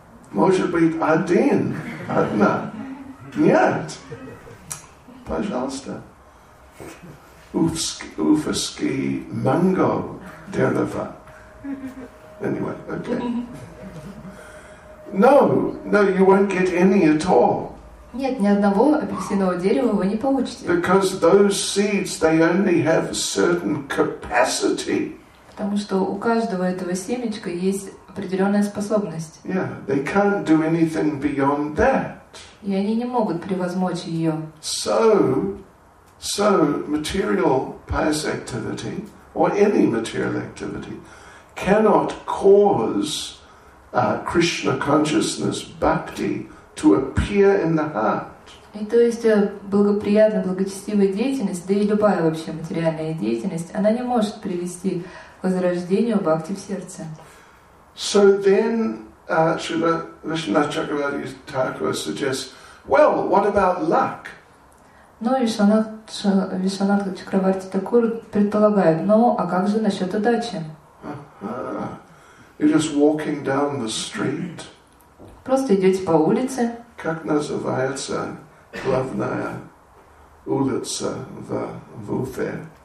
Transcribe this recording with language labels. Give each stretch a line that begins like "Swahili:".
Russian: Может быть, один, одна. Нет. Пожалуйста. Уфски манго дерево.
English: Anyway, okay. No, you won't get any at all.
Russian: Нет, ни одного апельсинового дерева вы не получите.
English: Because those seeds, they only have a certain capacity.
Russian: Потому что у каждого этого семечка есть определенная способность.
English: Yeah, they can't do anything beyond that.
Russian: И они не могут превозмочь ее.
English: So material pious activity or any material activity cannot cause Krishna consciousness bhakti to appear in the heart.
Russian: И то есть благоприятная благочестивая деятельность, да и любая вообще материальная деятельность, она не может привести к возрождению бхакти в сердце.
English: So then, Srila Vishwanath Chakravarti Thakur suggests, well, what about luck?
Russian: Но Вишванат Чакраварти Такур предполагает, ну, а как же насчет удачи?
English: You're just walking down the street.
Russian: Просто идете по улице. Как называется главная улица в Уфе?